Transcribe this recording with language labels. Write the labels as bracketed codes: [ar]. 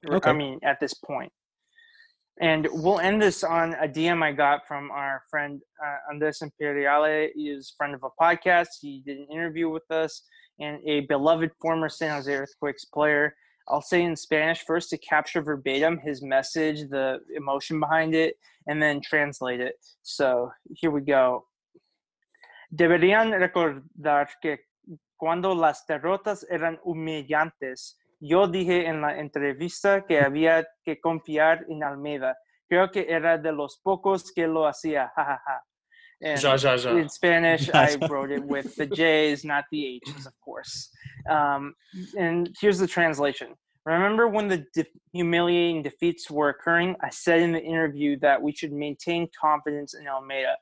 [en] Okay. I mean, at this point. And we'll end this on a DM I got from our friend Andres Imperiale. He is a friend of a podcast. He did an interview with us and a beloved former San Jose Earthquakes player. I'll say in Spanish first to capture verbatim his message, the emotion behind it, and then translate it. So here we go. [es] Deberían recordar que cuando las derrotas eran humillantes, yo dije en la entrevista que había que confiar en Almeida. Creo que era de los pocos que lo hacía. Ja, ja, ja. [en] In Spanish, I wrote it with the J's, not the H's, of course. And here's the translation. Remember when the humiliating defeats were occurring? I said in the interview that we should maintain confidence in Almeida.